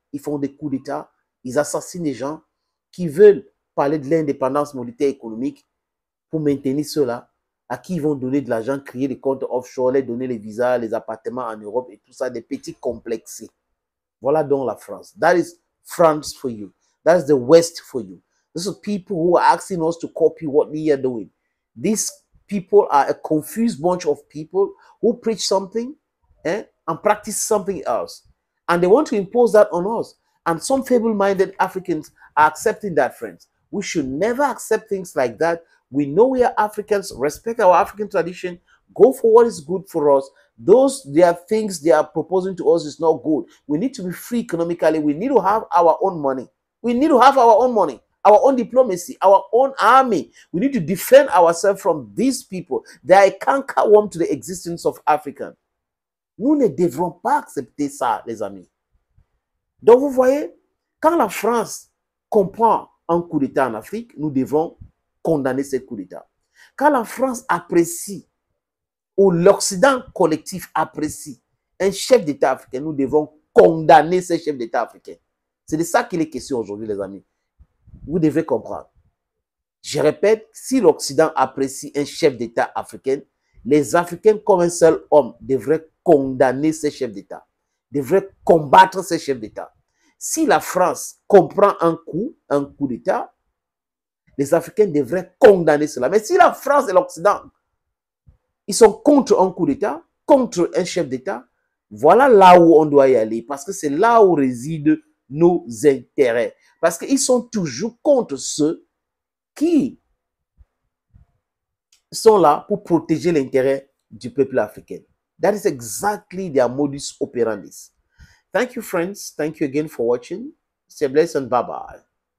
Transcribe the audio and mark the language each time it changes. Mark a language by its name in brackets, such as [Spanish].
[French] Ils font des coups d'état, ils assassinent des gens qui veulent parler de l'indépendance militaire et économique pour maintenir cela, à qui ils vont donner de l'argent, créer des comptes offshore, leur donner les visas, les appartements en Europe et tout ça, des petits complexes. Voilà donc la France. [English] That is France for you. That's the West for you. These are people who are asking us to copy what we are doing. These people are a confused bunch of people who preach something and practice something else. And they want to impose that on us. And some feeble-minded Africans are accepting that, friends. We should never accept things like that. We know we are Africans, respect our African tradition, go for what is good for us. Those, there are things they are proposing to us is not good. We need to be free economically. We need to have our own money. We need to have our own money, our own diplomacy, our own army. We need to defend ourselves from these people. They are a cankerworm to the existence of Africa. [French] Nous ne devrons pas accepter ça, les amis. Donc, vous voyez, quand la France comprend un coup d'état en Afrique, nous devons condamner ce coup d'état. Quand la France apprécie où l'Occident collectif apprécie un chef d'État africain, nous devons condamner ce chef d'État africain. C'est de ça qu'il est question aujourd'hui, les amis. Vous devez comprendre. Je répète, si l'Occident apprécie un chef d'État africain, les Africains, comme un seul homme, devraient condamner ce chef d'État, devraient combattre ce chef d'État. Si la France comprend un coup d'État, les Africains devraient condamner cela. Mais si la France et l'Occident, ils sont contre un coup d'État, contre un chef d'État, voilà là où on doit y aller, parce que c'est là où résident nos intérêts. Parce qu'ils sont toujours contre ceux qui sont là pour protéger l'intérêt du peuple africain. [English] That is exactly their modus operandi. Thank you, friends. Thank you again for watching. Stay blessed and bye-bye.